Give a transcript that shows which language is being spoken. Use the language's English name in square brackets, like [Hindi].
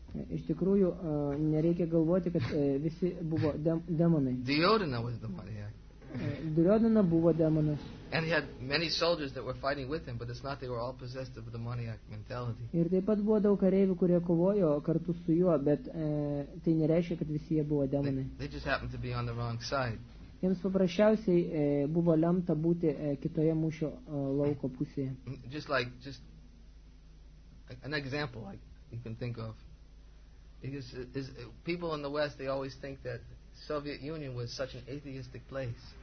[Lithuanian] Iš tikrųjų, nereikia galvoti, kad visi buvo demonai. [English] Duryodhana was demoniac. [Lithuanian] Duryodhana buvo demonas. [English] And he had many soldiers that were fighting with him, but it's not they were all possessed of the demoniac mentality. [Lithuanian] Ir taip pat buvo daug kareivių, kurie kovojo kartu su juo, bet tai nereiškia, kad visi jie buvo demonai. [English] They just happened to be on the wrong side. [Lithuanian] Jiems paprasčiausiai buvo lemta būti kitoje mūšio lauko pusėje. [English] Just like, just an example like you can think of. Is people in the West, they always think that Soviet Union was such an atheistic place.